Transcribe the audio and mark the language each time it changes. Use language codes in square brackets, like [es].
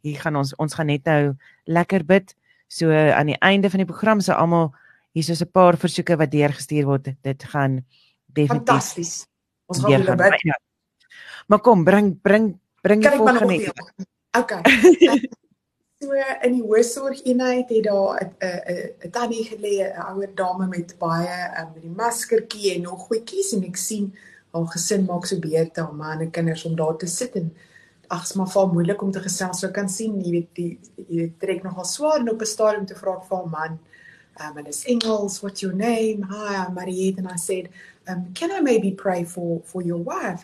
[af] Hier gaan ons gaan net nou lekker bid. So aan die einde van die program sal almal hier soos 'n paar versoeke wat deurgestuur word. Dit gaan definitief fantasties. Ons gaan hulle bid. Maar kom, bring die volgende. Okay. So in die hoofsorgeenheid het daar 'n tannie gelê, 'n ouer dame met baie met die maskertjie en nog goedjies en ek sien haar gesin maak so beurte om aan 'n kinders om daar te sit en ag, is maar vaal moeilik om te gesels. So kan sien, jy weet die trek nogal swaar en op 'n stadium te vra vir haar man, en dis Engels, [en] "What's your name? Hi, I'm Mariette," and I said, "Can I maybe pray for your wife?"